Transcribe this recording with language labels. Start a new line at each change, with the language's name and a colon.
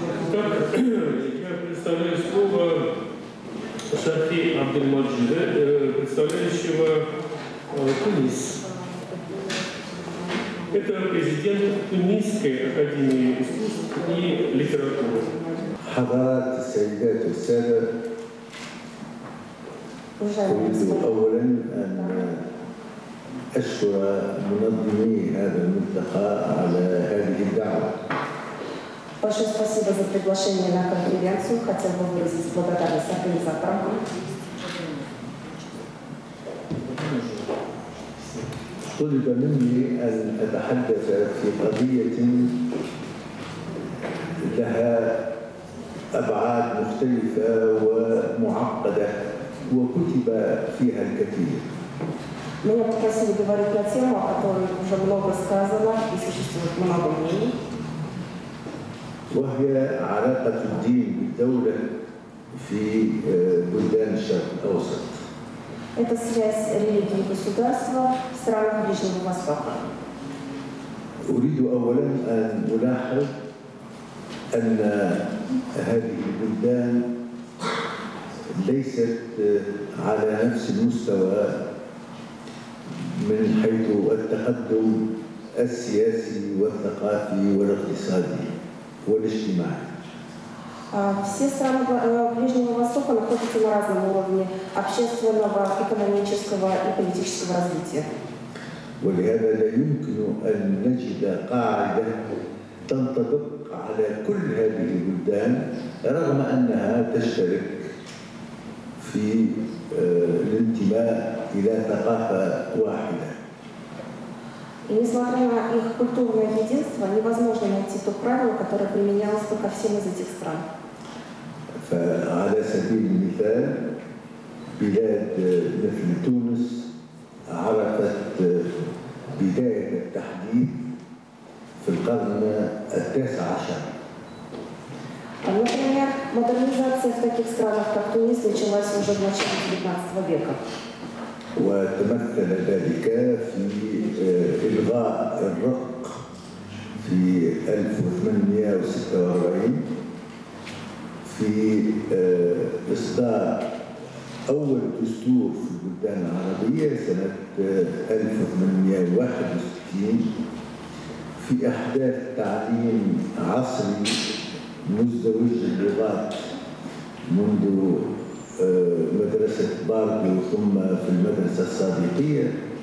Russian: Итак, я предоставляю слово Шарфи Абдельмаджида, представляющего Тунис. Это президент Тунисской академии искусств и литературы.
Arabic: Хадарат, сайдат, сайда. أريد أولاً أن أشكر منظمي هذا الملتقى على هذه الدعوة.
Russian: Большое спасибо за приглашение на конференцию. Хотел бы выразить благодарность организаторам.
Arabic: طلب مني أن أتحدث في قضية لها أبعاد مختلفة ومعقدة. وكتب فيها الكثير.
Russian: Меня попросили говорить на тему, о которой уже много сказано и существует много мнений.
Arabic: وهي علاقة الدين بالدولة في بلدان الشرق الأوسط.
Russian: Это связь религии и государства в странах Ближнего Востока.
Arabic: أريد أولاً أن ألاحظ أن هذه البلدان ليست على نفس المستوى من حيث التقدم السياسي والثقافي والاقتصادي والاجتماعي.
Russian: Все страны Ближнего Востока находятся на разном уровне общественного, экономического и политического развития.
Arabic: ولهذا لا يمكن أن نجد قاعدة تنطبق على كل هذه البلدان رغم أنها تشترك في الانتماء إلى ثقافة واحدة.
Russian: Несмотря на их культурное единство, невозможно найти то правило, которое применялось бы ко всем из этих стран.
Arabic: فعلى سبيل المثال، بلاد مثل تونس عرفت بداية التحديث في القرن التاسع عشر.
Russian: Например, модернизация в таких странах, как Тунис, началась уже в начале 19 века.
Arabic: وتمثل ذلك في إلغاء الرق في 1846 في إصدار أول دستور في البلدان العربية سنة 1861 في إحداث تعليم عصري مزدوج اللغات منذ مدرسة باردو ثم في المدرسة الصديقية